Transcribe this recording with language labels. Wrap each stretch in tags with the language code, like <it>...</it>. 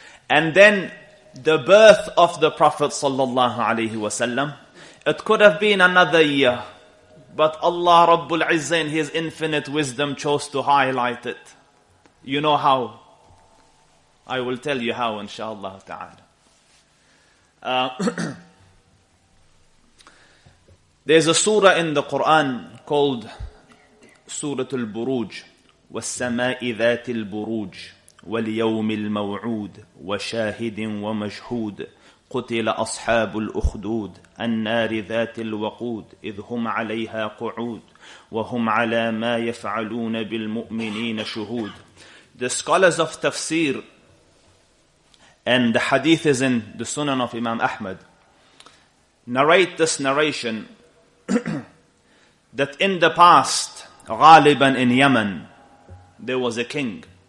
<en>And then the birth of the Prophet sallallahu alaihi wasallam, it could have been another year, but Allah Rabbul Izzah in His infinite wisdom chose to highlight it. You know how? I will tell you how, inshallah ta'ala. there's a surah in the Quran called Surah Al-Buruj,</en> <ar>والسماء ذات البروج واليوم الموعود وشاهد ومشهود قتل أصحاب الأخدود النار ذات الوقود إذ هم عليها قعود وهم على ما يفعلون بالمؤمنين شهود.</ar> <en>The scholars of tafsir and the hadith is in the Sunan of Imam Ahmad narrate this narration that in the past, غالباً in Yemen, there was a king.</en>